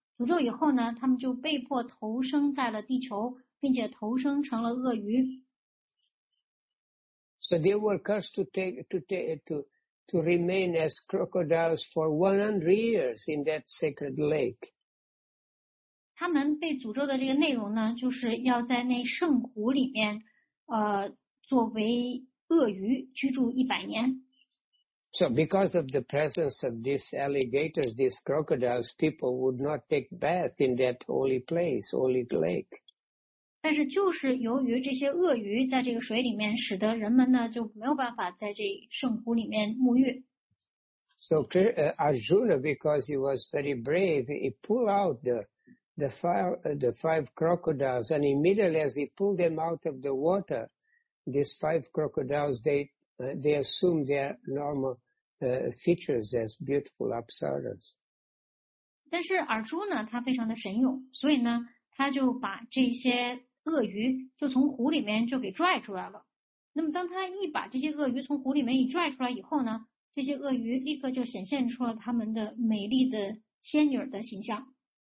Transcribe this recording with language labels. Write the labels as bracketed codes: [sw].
[zh] 诅咒以后呢，他们就被迫投生在了地球，并且投生成了鳄鱼。 [en] So they were cursed to remain as crocodiles for 100 years in that sacred lake. [zh] 他们被诅咒的这个内容呢，就是要在那圣湖里面，作为鳄鱼居住100年。 [en] So because of the presence of these alligators, these crocodiles, people would not take bath in that holy place, holy lake. [zh] 但是就是由于这些鳄鱼在这个水里面，使得人们呢就没有办法在这圣湖里面沐浴。 [en] So Arjuna, because he was very brave, he pulled out the five crocodiles, and immediately as he pulled them out of the water, these five crocodiles they assumed their normal features as beautiful apsaras. [zh] 但是尔朱呢，他非常的神勇，所以呢，他就把这些鳄鱼就从湖里面就给拽出来了。那么当他一把这些鳄鱼从湖里面一拽出来以后呢，这些鳄鱼立刻就显现出了他们的美丽的仙女的形象。